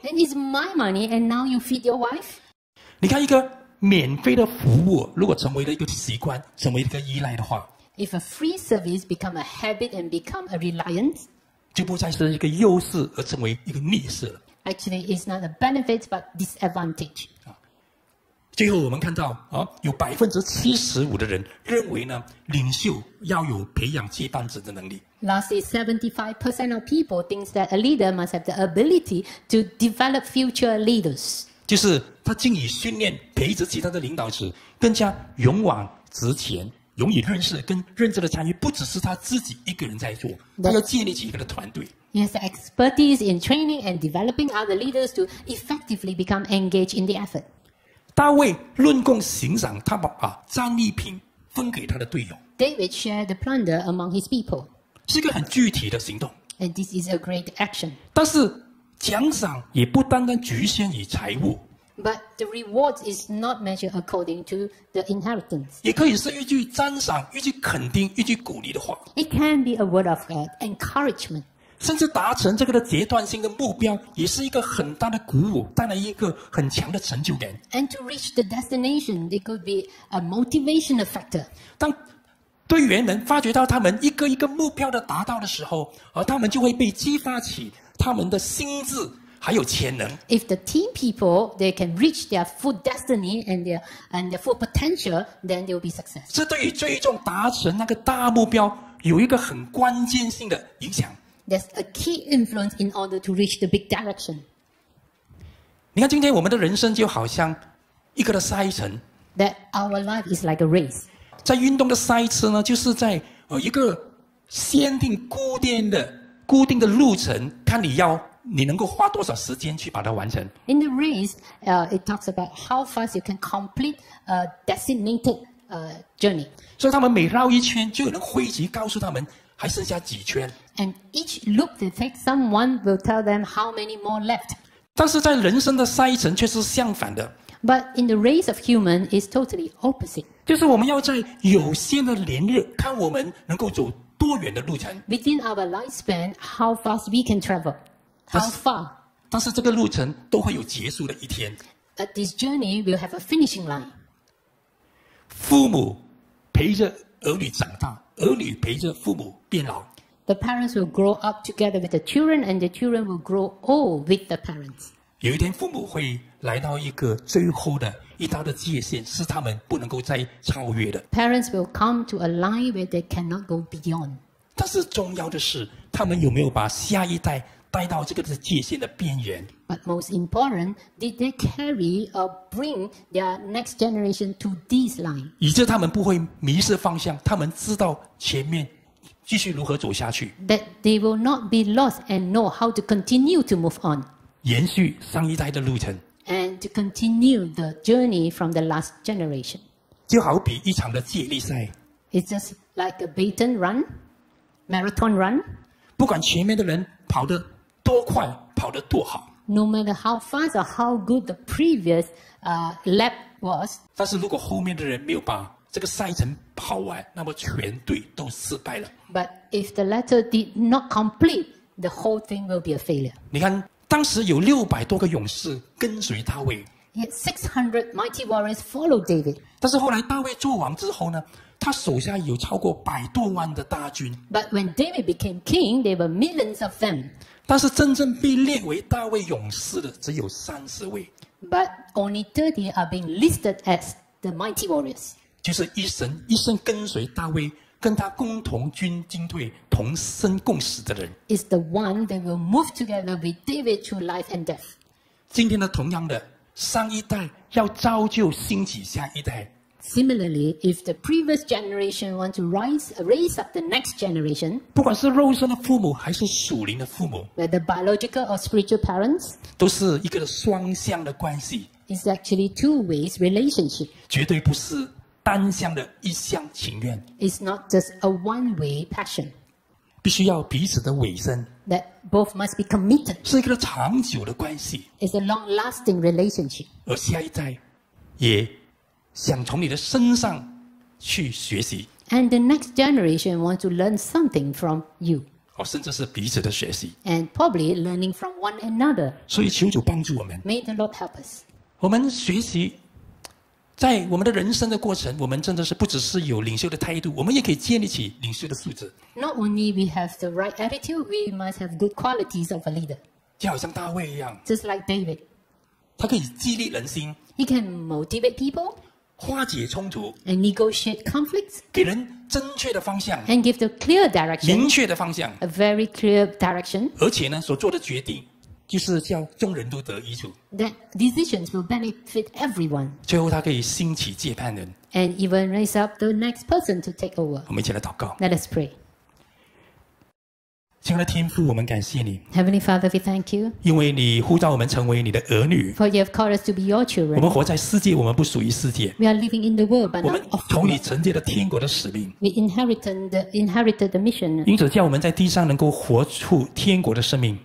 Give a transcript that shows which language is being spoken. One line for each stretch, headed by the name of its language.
English: Then it's my money, and now you feed your wife?
Chinese: 你看一个免费的服务如果成为了一个习惯成为一个依赖的话
English: If a free service become a habit and become a reliance
Chinese: 就不再是一个优势而成为一个劣势了
English: Actually it's not a benefit but disadvantage
Chinese: 最后我们看到有75%的人认为呢领袖要有培养接班者的能力
English: Lastly 75% of people think that a leader must have the ability to develop future leaders
Chinese: 就是他经以训练培植其他的领导者更加勇往直前勇以认识跟认真的参与不只是他自己一个人在做他要建立起一个团队
English: Yes, expertise in training and developing other leaders to effectively become engaged in the effort
Chinese: 大卫论功行赏他把战利品分给他的队友
English: David shared the plunder among his people
Chinese: 是一个很具体的行动
English: And this is a great action
Chinese: 但是奖赏也不单单局限于财物
English: But the reward is not measured according to the inheritance.
Chinese: 也可以是一句赞赏，一句肯定，一句鼓励的话。
English: It can be a word of encouragement.
Chinese: 甚至达成这个的阶段性的目标，也是一个很大的鼓舞，带来一个很强的成就感。
English: And to reach the destination, it could be a motivational factor.
Chinese: 当队员们发觉到他们一个一个目标的达到的时候，而他们就会被激发起他们的心智。还有潜能。
English: If the team people they can reach their full destiny and their full potential, then they will be successful.
Chinese: 这对于最终达成那个大目标有一个很关键性的影响。
English: There's a key influence in order to reach the big direction.
Chinese: 你看，今天我们的人生就好像一个的赛程。
English: That our life is like a race.
Chinese: 在运动的赛车呢，就是在一个限定固定的路程，看你要。你能够花多少时间去把它完成
English: ？In the race, it talks about how fast you can complete a designated journey.
Chinese: 所以他们每绕一圈，就有人汇集告诉他们还剩下几圈。
English: And each loop they take, someone will tell them how many more left.
Chinese: 但是在人生的赛程却是相反的。
English: But in the race of human, it's totally opposite.
Chinese: 就是我们要在有限的年日，看我们能够走多远的路程。
English: Within our lifespan, how fast we can travel. How far?
Chinese: 但是这个路程都会有结束的一天。
English: But this journey will have a finishing line.
Chinese: 父母陪着儿女长大，儿女陪着父母变老。
English: The parents will grow up together with the children, and the children will grow old with the parents.
Chinese: 有一天，父母会来到一个最后的一道的界限，是他们不能够再超越的。
English: Parents will come to a line where they cannot go beyond.
Chinese: 但是重要的是，他们有没有把下一代？带到这个的界限的边缘。
English: But most important, did they carry or bring their next generation to this line?
Chinese: 以致他们不会迷失方向，他们知道前面继续如何走下去。
English: That they will not be lost and know how to continue to move on.
Chinese: 延续上一代的路程。
English: And to continue the journey from the last generation.
Chinese: 就好比一场的接力赛。
English: It's just like a baton run, marathon run.
Chinese: 不管前面的人。跑得多快，跑得多好。
English: No matter how fast or how good the previous lap was.
Chinese: 但是如果后面的人没有把这个赛程跑完，那么全队都失败了。
English: But if the latter did not complete, the whole thing will be a failure.
Chinese: 你看，当时有600多个勇士跟随大卫。
English: Yet 600 mighty warriors followed David.
Chinese: 但是后来大卫做王之后呢？他手下有超过100多万的大军。
English: But when David became king, there were millions of them.
Chinese: 但是真正被列为大卫勇士的只有30位。
English: But only 30 are being listed as the mighty warriors.
Chinese: 就是一生跟随大卫，跟他共同进退，同生共死的人。
English: Is the one that will move together with David through life and death.
Chinese: 今天呢，同样的，上一代要造就兴起下一代。
English: Similarly, if the previous generation wants to raise up the next generation,
Chinese: 不管是肉身的父母还是属灵的父母
English: whether biological or spiritual parents,
Chinese: 都是一个双向的关系
English: It's actually two ways relationship.
Chinese: 绝对不是单向的一厢情愿
English: It's not just a one-way passion.
Chinese: 必须要彼此的委身
English: That both must be committed.
Chinese: 是一个长久的关系
English: It's a long-lasting relationship.
Chinese: 而下一代也想从你的身上去学习
English: ，and the next generation wants to learn something from you，
Chinese: 哦，甚至是彼此的学习
English: ，and probably learning from one another。
Chinese: 所以求主帮助我们
English: ，May the Lord help us。
Chinese: 我们学习，在我们的人生的过程，我们真的是不只是有领袖的态度，我们也可以建立起领袖的素质。
English: Not only we have the right attitude, we must have good qualities of a leader。
Chinese: 就好像大卫一样
English: ，just like David，
Chinese: 他可以激励人心
English: ，he can motivate people。
Chinese: 化解冲突
English: ，and negotiate conflicts，
Chinese: 给人正确的方向
English: ，and give the clear direction，
Chinese: 明确的方向
English: ，a very clear direction，
Chinese: 而且呢，所做的决定就是叫众人都得益处
English: ，that decisions will benefit everyone。
Chinese: 最后，他可以兴起接班人
English: ，and even raise up the next person to take over。
Chinese: 我们一起来祷告
English: ，let us pray。
Chinese: 亲爱的天父，我们感谢你。
English: Heavenly Father, we thank you.
Chinese: 因为你呼召我们成为你的儿女。
English: For you have called us to be your children.
Chinese: 我们活在世界，我们不属于世界。
English: We are living in the world, but not of the world.
Chinese: 我们从你承接的天国的使命。
English: We inherited the mission.
Chinese: 因此叫我们在地上能够活出天国的生命。